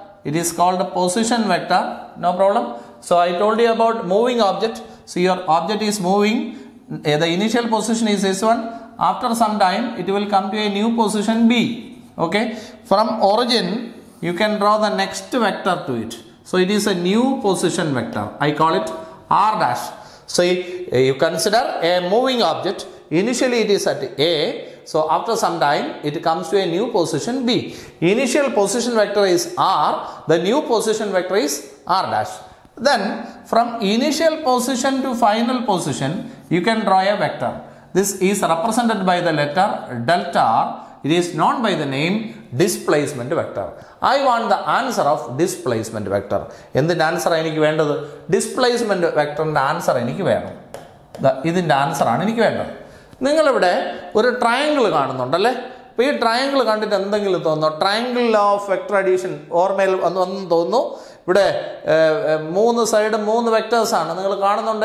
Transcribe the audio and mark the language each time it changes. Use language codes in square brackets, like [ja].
[en] It is called a position vector. No problem. So I told you about moving object. See your object is moving. The initial position is this one. After some time it will come to a new position B. Okay, from origin you can draw the next vector to it. So it is a new position vector. I call it R dash. So you consider a moving object. Initially it is at A. So after some time it comes to a new position B. Initial position vector is R. The new position vector is R dash. Then from initial position to final position you can draw a vector. This is represented by the letter delta R. It is known by the name displacement vector. I want the answer of displacement vector. [ml] എന്തിൻ്റെ answer എനിക്ക് വേണ്ടത്? Displacement വെക്ടറിൻ്റെ answer എനിക്ക് വേണം. ഇതിൻ്റെ ആൻസറാണ് എനിക്ക് വേണ്ടത്. നിങ്ങളിവിടെ ഒരു ട്രയാങ്കിൾ കാണുന്നുണ്ടല്ലേ. അപ്പോൾ ഈ ട്രയാങ്കിൾ കണ്ടിട്ട് എന്തെങ്കിലും തോന്നുന്നു? Triangle law of vector addition ഓർമ്മയിൽ വന്നു തോന്നുന്നു. ഇവിടെ മൂന്ന് സൈഡ് മൂന്ന് വെക്ടേഴ്സാണ് നിങ്ങൾ കാണുന്നുണ്ട്.